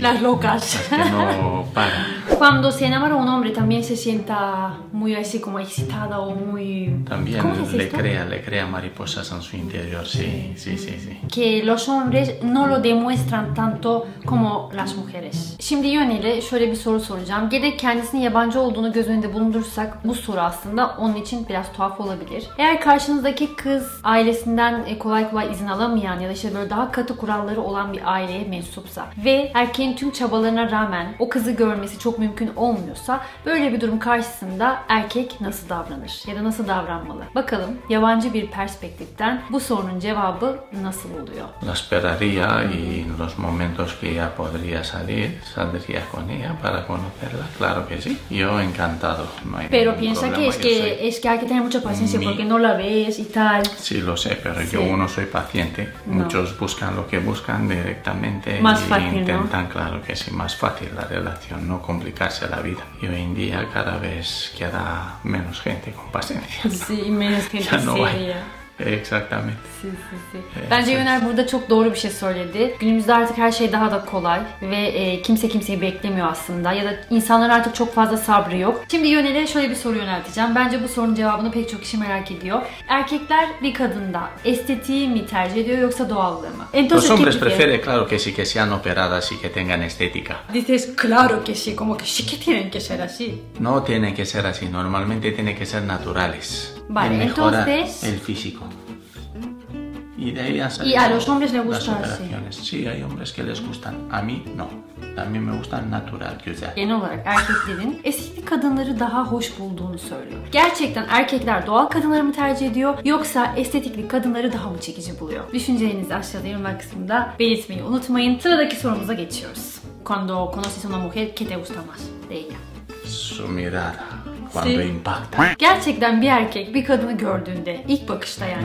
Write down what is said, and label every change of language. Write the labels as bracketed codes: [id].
[es] Las locas. Las que no paran. Cuando se enamora un hombre, ¿también se sienta muy así como excitada o muy...? También le crea mariposas en su interior, sí. Que los hombres no lo demuestran tanto como las mujeres. [tr] Şimdi Yönel'e şöyle bir soru soracağım. Gerek kendisinin yabancı olduğunu göz önünde bulundursak bu soru aslında onun için biraz tuhaf olabilir. Eğer karşınızdaki kız ailesinden kolay kolay izin alamayan ya da işte böyle daha katı kuralları olan bir aileye mensupsa ve erkeğin tüm çabalarına rağmen o kızı görmesi çok mümkün olmuyorsa böyle bir durum karşısında erkek nasıl davranır ya da nasıl davranmalı? Bakalım yabancı bir perspektiften bu sorunun cevabı nasıl oluyor? [es] La esperaría y en los momentos que ya podría salir. saldría con ella para conocerla, claro que sí. Yo encantado, no hay. Pero piensa que es que hay que tener mucha paciencia porque no la ves y tal. Sí, lo sé, pero sí. Yo no soy paciente. No. Muchos buscan lo que buscan directamente. Más fácil, intentan, ¿no? Claro que sí, más fácil la relación, no complicarse la vida. Y hoy en día cada vez queda menos gente con paciencia. Sí, menos gente seria. No hay. Exactamente. [tr] Bence Yöner burada çok doğru bir şey söyledi. Günümüzde artık her şey daha da kolay ve kimse kimseyi beklemiyor aslında. Ya da insanların artık çok fazla sabrı yok. Şimdi Yöner'e şöyle bir soru yönelteceğim. Bence bu sorunun cevabını pek çok kişi merak ediyor. Erkekler bir kadında estetiği mi tercih ediyor yoksa doğallığı mı? [es] Los hombres prefieren claro que sí, que sean operadas y que tengan estética. Dices claro que sí, como que sí que tienen que ser así. No tienen que ser así, normalmente tienen que ser naturales. Vale, mejora entonces el físico. Y de ahí han salido. Y a los hombres les gusta así. Sí, hay hombres que les gustan. A mí no. También me gusta natural, güzel. [tr] Genel olarak erkeklerin estetik kadınları daha hoş bulduğunu söylüyor. Gerçekten erkekler doğal kadınları mı tercih ediyor yoksa estetikli kadınları daha mı çekici buluyor? Düşüncelerinizi aşağıda yorumlar kısmında belirtmeyi unutmayın. Sıradaki sorumuza geçiyoruz. [es] Cuando conoces a una mujer que te gusta más de ella. Su mirada. Cuando impacta. [tr] Gerçekten bir erkek bir kadını gördüğünde ilk bakışta yani